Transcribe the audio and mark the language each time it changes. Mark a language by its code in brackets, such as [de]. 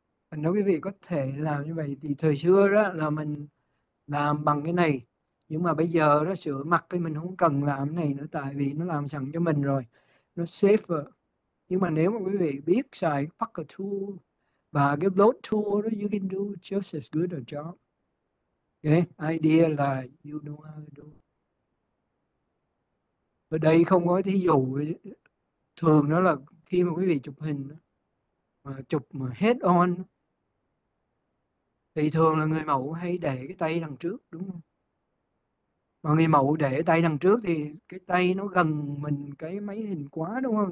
[vi] Nếu quý vị có thể làm như vậy thì thời xưa đó là mình làm bằng cái này, nhưng mà bây giờ nó sửa mặt thì mình không cần làm cái này nữa, tại vì nó làm sẵn cho mình rồi, nó safer. Nhưng mà nếu mà quý vị biết xài Pucker tool và cái blow tool đó, [en] you can do just as good a job. [vi] Okay, idea là [en] you know how to do. [vi] Ở đây không có thí dụ, thường đó là khi mà quý vị chụp hình mà chụp mà head on thì thường là người mẫu hay để cái tay đằng trước, đúng không? Mà người mẫu để tay đằng trước thì cái tay nó gần mình cái máy hình quá, đúng không?